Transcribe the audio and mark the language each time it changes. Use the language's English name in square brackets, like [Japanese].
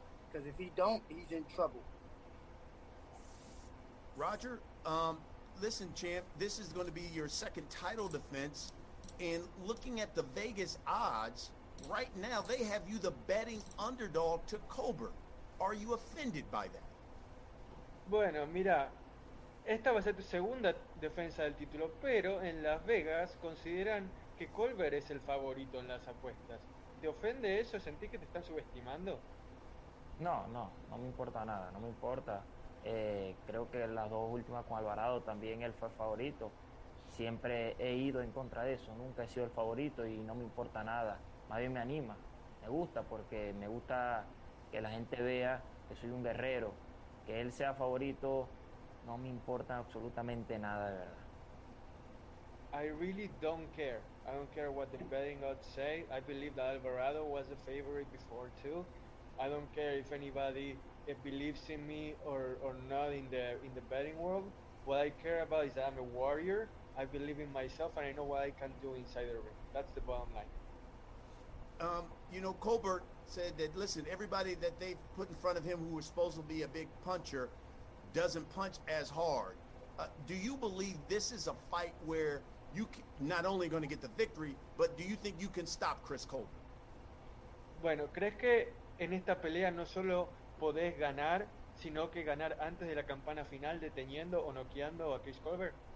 [English] Because if he don't, he's in trouble. Roger, listen, champ, this is going to be your second title defense. And looking at the Vegas odds, right now they have you the betting underdog to Colbert. Are you offended by that? [Spanish] Bueno, mira, esta va a ser tu segunda defensa del título, pero en Las Vegas consideran que Colbert es el favorito en las apuestas. ¿Te ofende eso? ¿Sentí que te están subestimando? No me importa nada, no me importa. Creo que las dos últimas con Alvarado también él fue favorito. Siempre he ido en contra de eso, nunca he sido el favorito y no me importa nada. Más bien me anima, me gusta, porque me gusta que la gente vea que soy un guerrero. Que él sea favorito, no me importa absolutamente nada, de verdad. [English] I really don't care. I don't care what the betting odds say. I believe that Alvarado was a favorite before too. I don't care if anybody believes in me or not in the betting world. What I care about is that I'm a warrior. I believe in myself, and I know what I can do inside the ring. That's the bottom line. You know, Colbert said that, listen, everybody that they put in front of him who was supposed to be a big puncher doesn't punch as hard. Do you believe this is a fight where you not only going to get the victory, but do you think you can stop Chris Colbert? [Spanish] Bueno, ¿crees que en esta pelea no solo podés ganar, sino que ganar antes de la campana final deteniendo o noqueando a Chris Colbert?